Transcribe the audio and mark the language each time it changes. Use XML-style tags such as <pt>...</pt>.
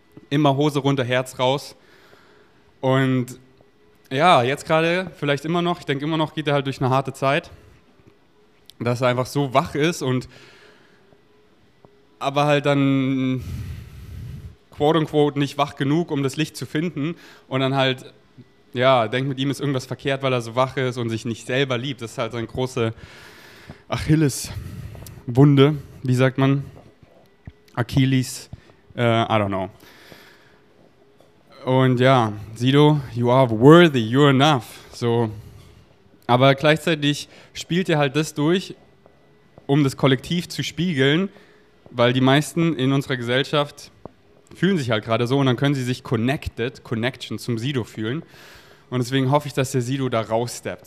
<de>Immer Hose runter, Herz raus. Und ja, jetzt gerade, vielleicht immer noch, ich denke immer noch, geht er halt durch eine harte Zeit, dass er einfach so wach ist und aber halt dann quote-unquote nicht wach genug, um das Licht zu finden und dann halt, ja, denkt, mit ihm ist irgendwas verkehrt, weil er so wach ist und sich nicht selber liebt. Das ist halt so eine große Achilles-Wunde, wie sagt man?</de> <en>Achilles, I don't know.</en> <de>Und ja,</de> <en>Sido, you are worthy, you're enough.</en> <de>So. Aber gleichzeitig spielt er halt das durch, um das Kollektiv zu spiegeln, weil die meisten in unserer Gesellschaft fühlen sich halt gerade so und dann können sie sich connected, connection zum Sido fühlen. Und deswegen hoffe ich, dass der Sido da raussteppt.</de>